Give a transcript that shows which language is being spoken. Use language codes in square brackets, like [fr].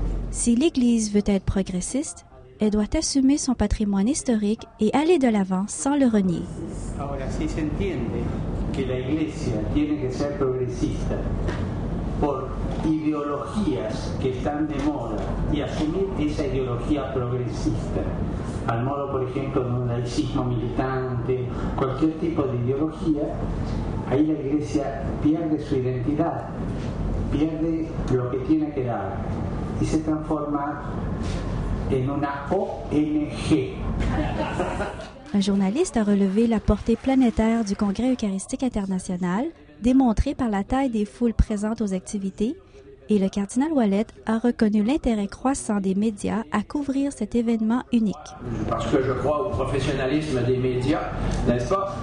[fr] Si l'Église veut être progressiste, elle doit assumer son patrimoine historique et aller de l'avant sans le renier. [es] Ahora sí se entiende que la Iglesia tiene que ser progresista por ideologías que están de moda y asumir esa ideología progresista, al modo, por ejemplo, de un laicismo militante, cualquier tipo de ideología. Ahí la Iglesia pierde su identidad, pierde lo que tiene que dar y se transforma en una ONG. [fr] Un journaliste a relevé la portée planétaire du Congrès eucharistique international, démontrée par la taille des foules présentes aux activités, et le cardinal Ouellette a reconnu l'intérêt croissant des médias à couvrir cet événement unique. Parce que je crois au professionnalisme des médias, n'est-ce pas?